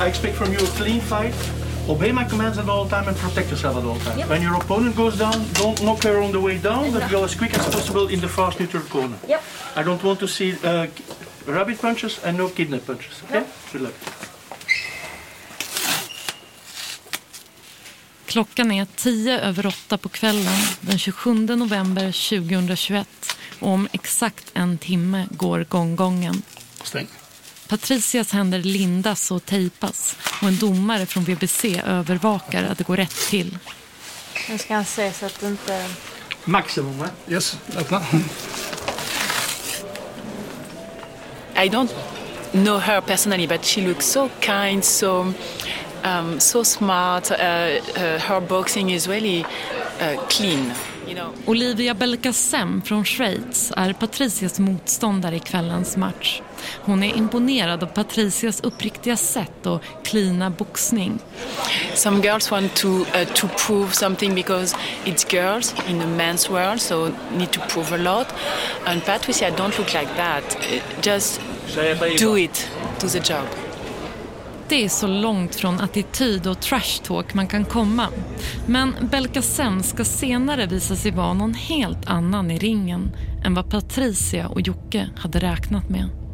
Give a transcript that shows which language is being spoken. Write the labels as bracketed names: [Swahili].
[English] I expect from you a clean fight. Obey my commands at all time and protect yourself at all time. Yep. When your opponent goes down, don't knock her on the way down, but go as quick as possible in the fast neutral corner. Yep. I don't want to see rabbit punches and no kidney punches. Okay? Yep. Good luck. [Swedish] Klockan är 7:50 på kvällen den 27 november 2021. Och om exakt en timme går gånggången. Stäng. Patricias händer lindas och tejpas och en domare från VBC övervakar att det går rätt till. Nu ska han se så att det inte... Maximum, va? Yes, öppna. [English] I don't know her personally, but she looks so kind, so so smart. Her boxing is really clean. [Swedish] Olivia Belkacem från Schweiz är Patricias motståndare i kvällens match. Hon är imponerad av Patricias uppriktiga sätt och cleana boxning. [English] Some girls want to prove something because it's girls in a men's world, so need to prove a lot. And Patricia don't look like that. Just do it, do the job. [Swedish] Det är så långt från attityd och trash talk man kan komma. Men Belkacem ska senare visa sig vara någon helt annan i ringen än vad Patricia och Jocke hade räknat med.